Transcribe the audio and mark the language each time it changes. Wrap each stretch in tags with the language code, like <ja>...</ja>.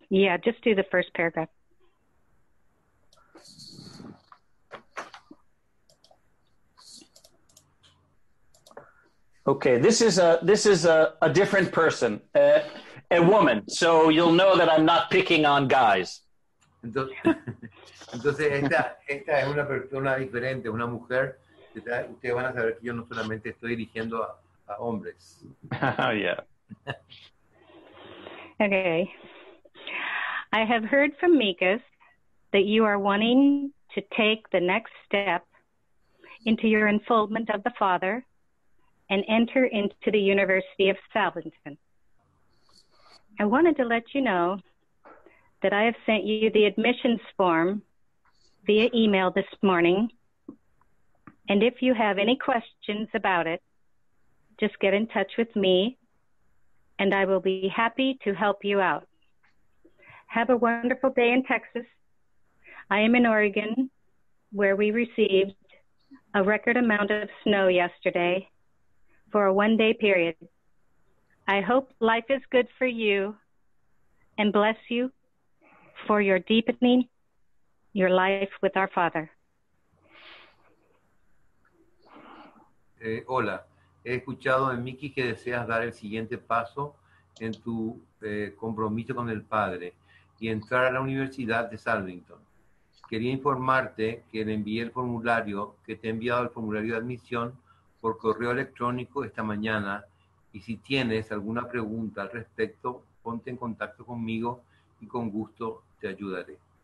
<en>Yeah, just do the first paragraph. Okay, this is a different person, a woman. So you'll know that I'm not picking on guys.</en> <es>Entonces esta es una persona diferente, una mujer. Ustedes van a saber que yo no solamente estoy dirigiendo a hombres.</es> <en>Oh, yeah. Okay. I have heard from Mikas that you are wanting to take the next step into your enfoldment of the Father and enter into the University of Salvington. I wanted to let you know that I have sent you the admissions form via email this morning. And if you have any questions about it, just get in touch with me, and I will be happy to help you out. Have a wonderful day in Texas. I am in Oregon, where we received a record amount of snow yesterday for a one-day period. I hope life is good for you and bless you for your deepening your life with our Father.</en> <es>Hola, he escuchado en Miki que deseas dar el siguiente paso en tu compromiso con el Padre y entrar a la Universidad de Salvington. Quería informarte que le envié el formulario, que te he enviado el formulario de admisión por correo electrónico esta mañana, y si tienes alguna pregunta al respecto, ponte en contacto conmigo y con gusto te ayudaré.</es>